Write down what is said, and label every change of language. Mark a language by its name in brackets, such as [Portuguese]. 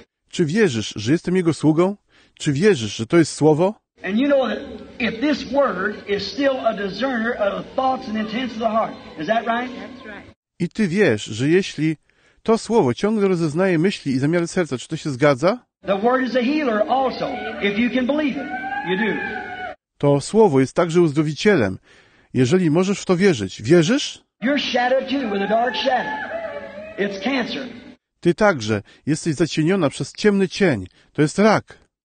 [Polish] Czy wierzysz, że jestem Jego sługą? Czy wierzysz, że to jest Słowo? [English] And you know that if this word is still a discerner of the thoughts and intents of the heart, is that right? That's right. [Polish] I ty wiesz, że jeśli to słowo ciągle rozeznaje myśli i zamiary serca, czy to się zgadza? [English] The word is a healer also, if you can believe it. You do. [Polish] To słowo jest także uzdrowicielem, jeżeli możesz w to wierzyć. Wierzysz? [English] Your shadow too, with a dark shadow. It's cancer. [Polish] Ty także jesteś zacieniona przez ciemny cień. To jest rak.